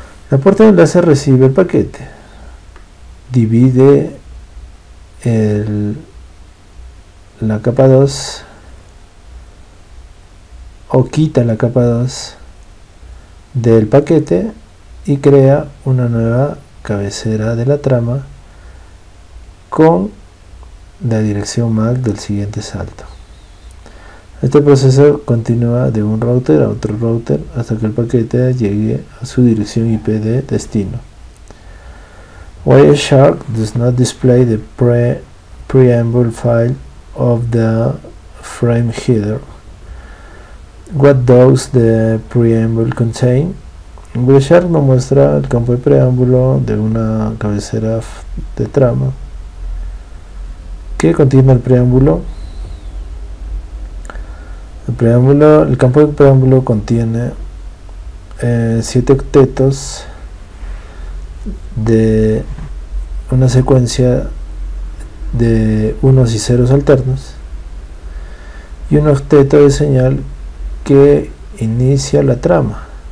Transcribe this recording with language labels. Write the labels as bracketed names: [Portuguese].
[Spanish] La puerta de enlace recibe el paquete, divide la capa 2 o quita la capa 2 del paquete y crea una nueva cabecera de la trama con la dirección MAC del siguiente salto. Este proceso continúa de un router a otro router hasta que el paquete llegue a su dirección IP de destino. [English] Wireshark does not display the preamble file of the frame header. What does the preamble contain? [Spanish] Bresher nos muestra el campo de preámbulo de una cabecera de trama que contiene el preámbulo. El campo de preámbulo contiene 7 octetos de una secuencia de unos y ceros alternos y un octeto de señal que inicia la trama.